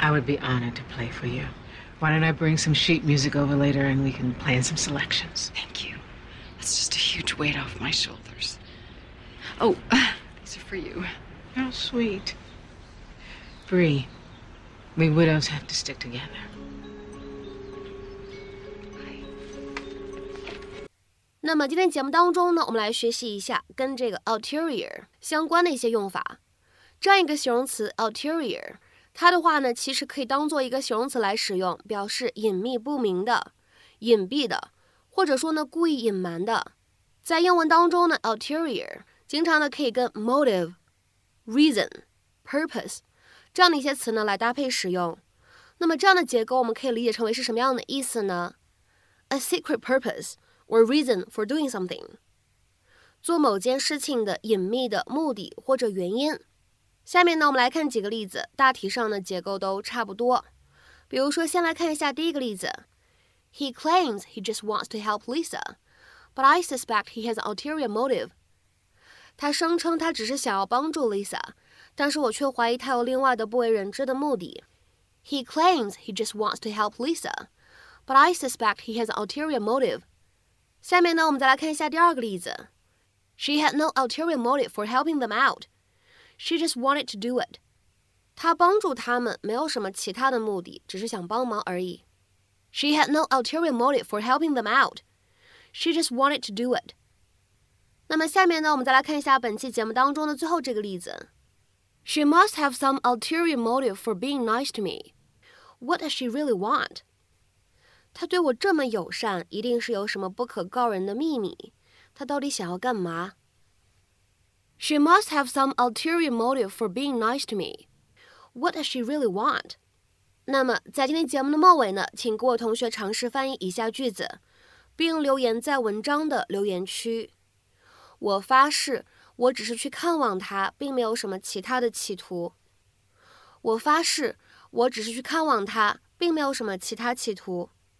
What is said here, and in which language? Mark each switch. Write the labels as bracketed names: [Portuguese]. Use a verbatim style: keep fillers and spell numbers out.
[English] I would be honored to play for you. Why don't I bring some sheet music over later, and we can play in some selections? Thank you. That's just a huge weight off my shoulders. Oh, uh, these are for you. How sweet. Bree, we widows have to stick together. [Chinese] 那么今天节目当中呢，我们来学习一下跟这个 ulterior 相关的一些用法。这样一个形容词 ulterior， 它的话呢其实可以当做一个形容词来使用，表示隐秘不明的、隐蔽的，或者说呢故意隐瞒的。在英文当中呢 ulterior 经常呢可以跟 motive、reason、purpose 这样的一些词呢来搭配使用。那么这样的结构我们可以理解成为是什么样的意思呢？ [English] A secret purpose or reason for doing something， [Chinese] 做某件事情的隐秘的目的或者原因。下面呢我们来看几个例子，大体上的结构都差不多。比如说先来看一下第一个例子。 [English] He claims he just wants to help Lisa, but I suspect he has an ulterior motive. [Chinese] 他声称他只是想要帮助 Lisa， 但是我却怀疑他有另外的不为人知的目的。 [English] He claims he just wants to help Lisa, but I suspect he has an ulterior motive. [Chinese] 下面呢我们再来看一下第二个例子。 [English] She had no ulterior motive for helping them out. She just wanted to do it. [Chinese] 她帮助他们没有什么其他的目的，只是想帮忙而已。 [English] She had no ulterior motive for helping them out. She just wanted to do it. [Chinese] 那么下面呢我们再来看一下本期节目当中的最后这个例子。 [English] She must have some ulterior motive for being nice to me. What does she really want? [Chinese] 他对我这么友善，一定是有什么不可告人的秘密。他到底想要干嘛？ [English] She must have some ulterior motive for being nice to me. What does she really want? [Chinese] 那么在今天节目的末尾呢，请各位同学尝试翻译以下句子，并留言在文章的留言区。我发誓，我只是去看望他，并没有什么其他的企图。我发誓，我只是去看望他，并没有什么其他企图。